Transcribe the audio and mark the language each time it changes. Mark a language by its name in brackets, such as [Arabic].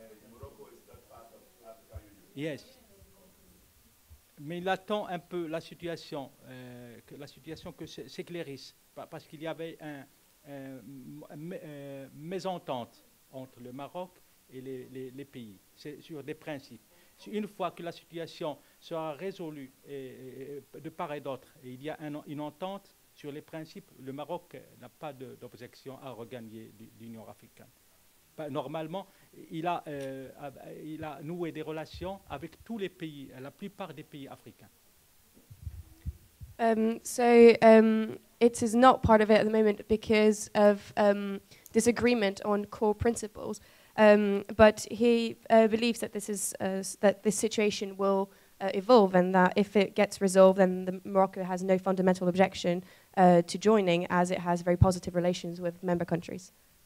[English] Morocco is not part of the African Union. Yes. [French] Mais il attend un peu la situation que s'éclaircisse parce qu'il y avait une mésentente entre le Maroc et les pays sur des principes. Une fois que la situation sera résolue et de part et d'autre, et il y a une entente sur les principes, le Maroc n'a pas d'objection à regagner l'Union africaine. Normalement, il a noué des relations avec tous les pays, la plupart des pays africains. [English] It is not part of it at the moment because of disagreement on core principles. But he believes that this situation will evolve and that if it gets resolved, then Morocco has no fundamental objection to joining, as it has very positive relations with member countries.